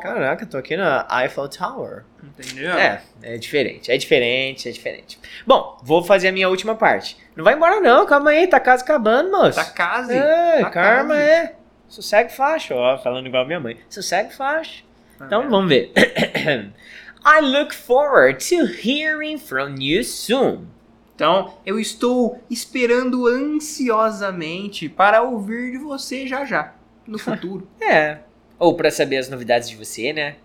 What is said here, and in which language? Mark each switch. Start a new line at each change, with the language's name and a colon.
Portuguese: Caraca, tô aqui na Eiffel Tower. Entendeu? É diferente. Bom, vou fazer a minha última parte. Não vai embora não, calma aí, tá quase acabando, moço. Tá quase. Calma, é. Sossegue faixa, ó, falando igual a minha mãe. Sossegue faixa. Então, vamos ver.
English: I look forward to hearing from you soon.
Portuguese: Então, eu estou esperando ansiosamente para ouvir de você já, no futuro. É, ou para saber as novidades de você, né?